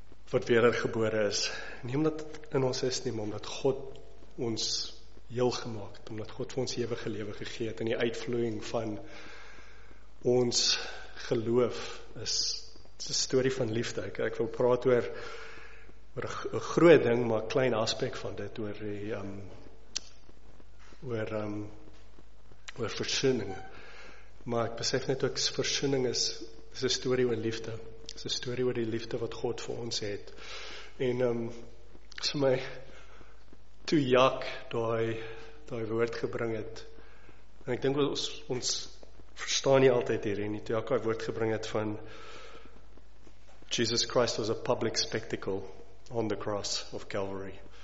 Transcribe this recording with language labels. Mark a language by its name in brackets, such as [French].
[Afrikaans] wat wedergebore is, nie omdat in ons is nie, maar omdat God ons heel gemaakt, omdat God vir ons ewige lewe gegee het, en die uitvloeiing van ons geloof is, is 'n story van liefde. Ek wil praat oor 'n groot ding, maar 'n klein aspek van dit, oor die oor versoening. Maar ek besef net ook, versoening is een story oor liefde. Is een story oor die liefde wat God vir ons het. En so my, toe Jack die woord gebring het, en ek dink ons verstaan nie altyd hierin, toe Jack die woord gebring het van [English] Jesus Christ was a public spectacle on the cross of Calvary.